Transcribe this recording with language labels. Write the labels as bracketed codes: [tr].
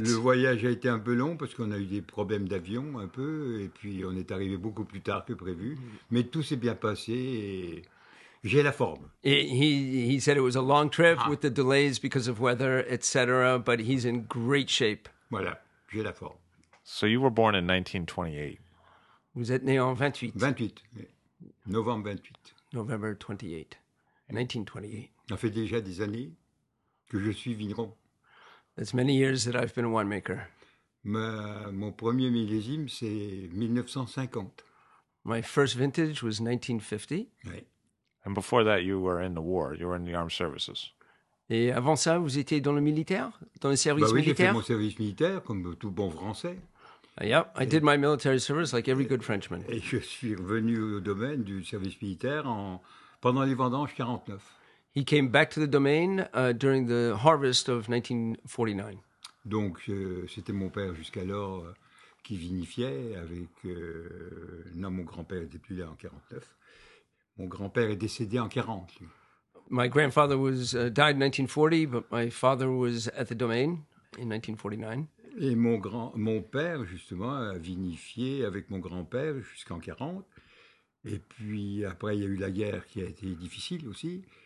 [fr] Le voyage a été un peu long parce qu'on a eu des problèmes d'avion un peu et puis on est arrivé beaucoup plus tard que prévu. Mais tout s'est bien passé et j'ai la forme. [en] He said it was a long trip with the delays because of weather, etc. But he's in great shape. [fr] Voilà, j'ai la forme. [en] So you were born in 1928. [fr] Vous êtes né en 28. 28, novembre 28. [en] November 28, 1928. [fr] Ça fait déjà des années que je suis vigneron. [en] It's many years that I've been a winemaker. [fr] Mon premier millésime, c'est 1950. [en] My first vintage was 1950. [fr] Oui. [en] And before that, you were in the war. You were in the armed services. [fr] Et avant ça, vous étiez dans le militaire? Dans le service militaire? Oui, j'ai fait mon service militaire, comme tout bon Français. I did my military service like every good Frenchman. Et je suis revenu au domaine du service militaire pendant les vendanges 49. He came back to the domain during the harvest of 1949. Donc, c'était mon père jusqu'alors qui vinifiait avec... non, mon grand-père n'était plus là en 49. Mon grand-père est décédé en 40. [en] My grandfather was died in 1940, but my father was at the domain in 1949. [fr] Et mon père, justement, a vinifié avec mon grand-père jusqu'en 40. Et puis, après, il y a eu la guerre qui a été difficile aussi.